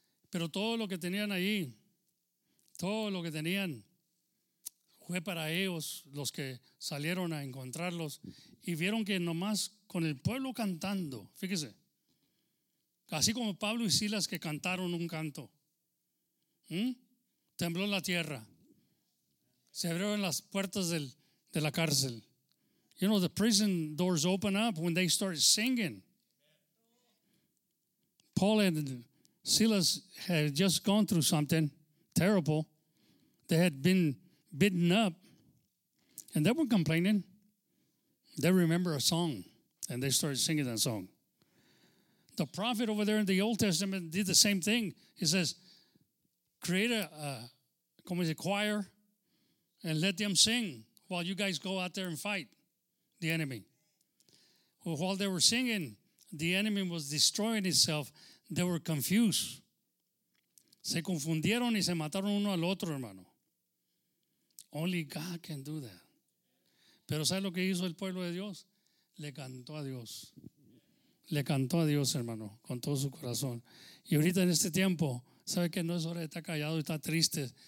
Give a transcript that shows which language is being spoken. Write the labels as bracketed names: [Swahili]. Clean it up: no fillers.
[Spanish] Pero todo lo que tenían ahí, todo lo que tenían, fue para ellos los que salieron a encontrarlos y vieron que nomás con el pueblo cantando, fíjese, así como Pablo y Silas que cantaron un canto, tembló la tierra, se abrieron las puertas de la cárcel. [English] You know, the prison doors open up when they start singing. Paul and Silas had just gone through something terrible. They had been beaten up, and they were complaining. They remember a song, and they started singing that song. The prophet over there in the Old Testament did the same thing. He says, create a choir and let them sing while you guys go out there and fight the enemy. Well, while they were singing, the enemy was destroying itself. They were confused. [Spanish] Se confundieron y se mataron uno al otro, hermano. [English] Only God can do that. [Spanish] Pero ¿sabe lo que hizo el pueblo de Dios? Le cantó a Dios. Le cantó a Dios, hermano, con todo su corazón. Y ahorita en este tiempo, sabe que no es hora de estar callado y estar triste.